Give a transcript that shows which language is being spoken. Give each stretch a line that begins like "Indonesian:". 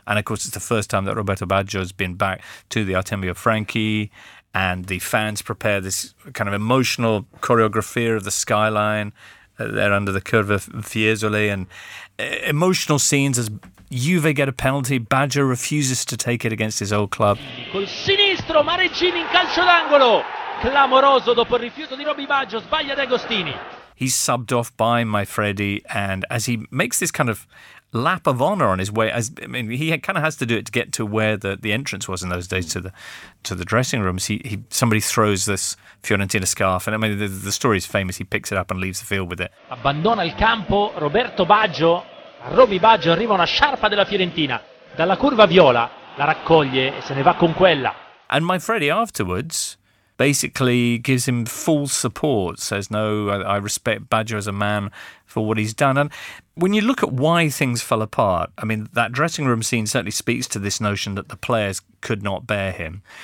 English: And, of course, it's the first time that Roberto Baggio's been back to the Artemio Franchi, and the fans prepare this kind of emotional choreography of the skyline there under the curve of Fiesole, and emotional scenes as Juve get a penalty. Baggio refuses to take it against his old club.
Italian: Col sinistro, Mareggini in calcio d'angolo. Clamoroso dopo il rifiuto di Roby Baggio, sbaglia De Agostini.
English: He's subbed off by my Freddy, and as he makes this kind of lap of honour on his way, he kind of has to do it to get to where the entrance was in those days to the dressing rooms. Somebody throws this Fiorentina scarf, and I mean the story is famous. He picks it up and leaves the field with it.
Italian: Abbandona il campo Roberto Baggio. A Roby Baggio arriva una sciarpa della Fiorentina dalla curva viola, la raccoglie e se ne va con quella.
English: And my Freddy afterwards basically gives him full support, says, no, I respect Baggio as a man for what he's done. And when you look at why things fell apart, I mean, that dressing room scene certainly speaks to this notion that the players could not bear him.